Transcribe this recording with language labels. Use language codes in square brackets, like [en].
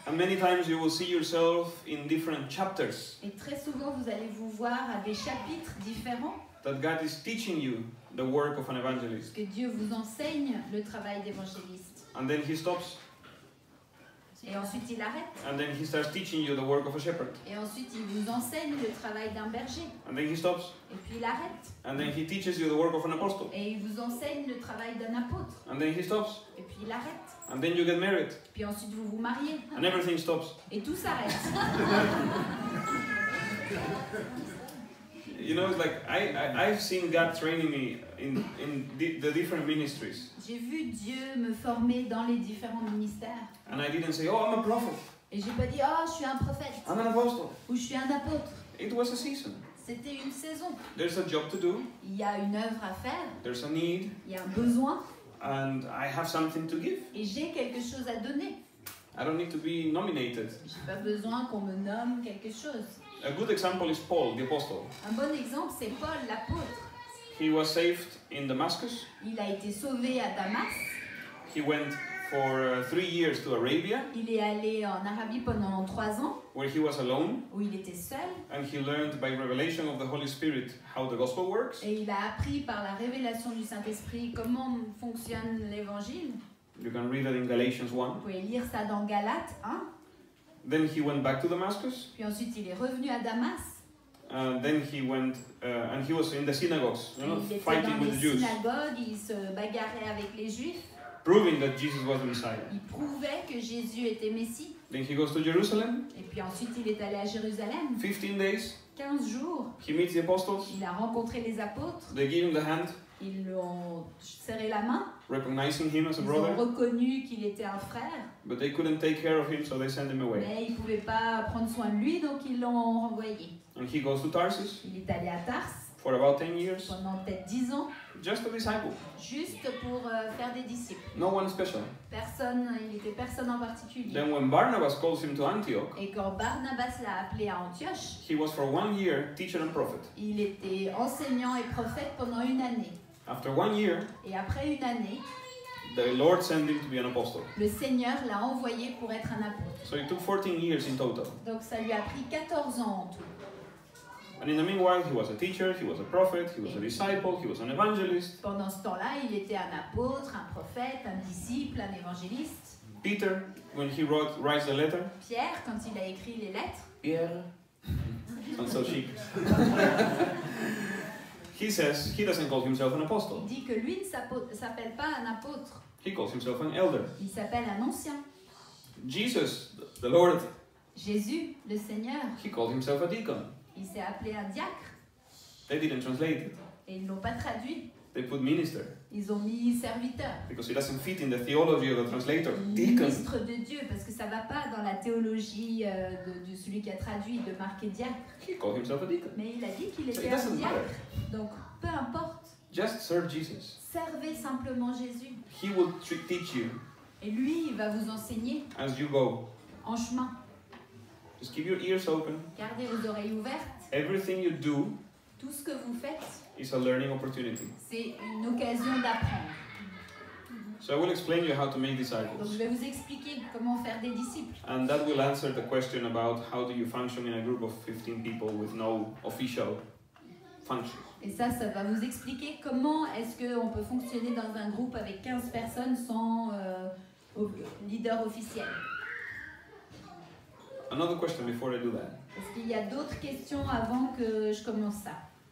[en] And many times you will see yourself in different chapters. [fr] Et très souvent vous allez vous voir à des chapitres différents. [en] That God is teaching you the work of an evangelist. [fr] Que Dieu vous enseigne le travail d'évangéliste. [en] And then he stops. [fr] Et ensuite il arrête. [en] And then he starts teaching you the work of a shepherd. [fr] Et ensuite il vous enseigne le travail d'un berger. [en] And then he stops. [fr] Et puis il arrête. [en] And then he teaches you the work of an apostle. [fr] Et il vous enseigne le travail d'un apôtre. [en] And then he stops. [fr] Et puis il arrête. [en] And then you get married. [fr] Puis ensuite vous vous mariez. [en] And everything stops. [fr] Et tout s'arrête. [en] You know, it's like I've seen God training me in the different ministries. [fr] J'ai vu Dieu me former dans les différents ministères. [en] And I didn't say, oh, I'm a prophet. [fr] Et j'ai pas dit, oh, je suis un prophète. [en] I'm an apostle. [fr] Ou je suis un apôtre. [en] It was a season. [fr] C'était une saison. [en] There's a job to do. [fr] Il y a une œuvre à faire. [en] There's a need. [fr] Il y a un besoin. [en] And I have something to give. [fr] Et j'ai quelque chose à donner. [en] I don't need to be nominated. [fr] J'ai pas besoin qu'on me nomme quelque chose. [en] A good example is Paul, the apostle. [fr] Un bon exemple, c'est Paul, l'apôtre. [en] He was saved in Damascus. [fr] Il a été sauvé à Damas. [en] He went for 3 years to Arabia. [fr] Il est allé en Arabie pendant 3 ans. [en] Where he was alone. [fr] Où il était seul. [en] And he learned by revelation of the Holy Spirit how the gospel works. [fr] Et il a appris par la révélation du Saint-Esprit comment fonctionne l'évangile. [en] You can read that in Galatians 1. [fr] Vous pouvez lire ça dans Galates 1. [en] Then he went back to Damascus. [fr] Puis ensuite il est revenu à Damas. [en] Then he went and he was in the synagogues, you know, fighting with the Jews. [fr] Il était dans les synagogues, il se bagarrait avec les Juifs. [en] Proving that Jesus was the Messiah. [fr] Il prouvait que Jésus était Messie. [en] Then he goes to Jerusalem. [fr] Et puis ensuite il est allé à Jérusalem. [en] 15 days. [fr] 15 jours. [en] He meets the apostles. [fr] Il a rencontré les apôtres. [en] They give him the hand. [fr] Ils lui ont serré la main. [en] Recognizing him as a brother. [fr] Ils ont reconnu qu'il était un frère. [en] But they couldn't take care of him, so they sent him away. [fr] Mais ils pouvaient pas prendre soin de lui, donc ils l'ont renvoyé. [en] And he goes to Tarsus. [fr] Il est allé à Tarse. [en] For about 10 years. [fr] Pendant peut-être 10 ans. [en] Just a disciple. [fr] Juste pour faire des disciples. [en] No one special. [fr] Personne, il était personne en particulier. [en] Then when Barnabas calls him to Antioch. [fr] Et quand Barnabas l'a appelé à Antioche. [en] He was for 1 year teacher and prophet. [fr] Il était enseignant et prophète pendant une année. [en] After 1 year, [fr] et après une année, [en] the Lord sent him to be an apostle. [fr] Le Seigneur l'a envoyé pour être un apôtre. [en] So it took 14 years in total. [fr] Donc ça lui a pris 14 ans en tout. [en] And in the meanwhile, he was a teacher, he was a prophet, he was a disciple, he was an evangelist. [fr] Pendant ce temps-là, il était un apôtre, un prophète, un disciple, un évangéliste. [en] Peter, when he writes the letter. [fr] Pierre, quand il a écrit les lettres. [en] Pierre. Sounds so chic. He says he doesn't call himself an apostle. [fr] Il dit que lui ne s'appelle pas un apôtre. [en] He calls himself an elder. [fr] Il s'appelle un ancien. [en] Jesus, the Lord, [fr] Jésus, le Seigneur. [en] He called himself a deacon. [fr] Il s'est appelé un diacre. [en] They didn't translate it. [fr] Et ils l'ont pas traduit. [en] They put minister. [fr] Ils ont mis serviteur. [en] Because it doesn't fit in the theology of the translator. [fr] Ministre de Dieu, parce que ça va pas dans la théologie de celui qui a traduit de marquer diacre. [en] He called himself a deacon. [fr] Mais il a dit qu'il était un diacre. Donc peu importe. [en] Just serve Jesus. [fr] Servez simplement Jésus. [en] He will teach you. [fr] Et lui, il va vous enseigner. [en] As you go. [fr] En chemin. [en] Just keep your ears open. [fr] Gardez vos oreilles ouvertes. [en] Everything you do. [fr] Tout ce que vous faites. [en] Is a learning opportunity. [fr] C'est une occasion d'apprendre. [en] So I will explain you how to make disciples. [fr] Donc je vais vous expliquer comment faire des disciples. [en] And that will answer the question about how do you function in a group of 15 people with no official function. [fr] Et ça, ça va vous expliquer comment est-ce qu'on peut fonctionner dans un groupe avec 15 personnes sans leader officiel. [en] Another question before I do that. [fr] Est-ce qu'il y a d'autres questions avant que je commence ça?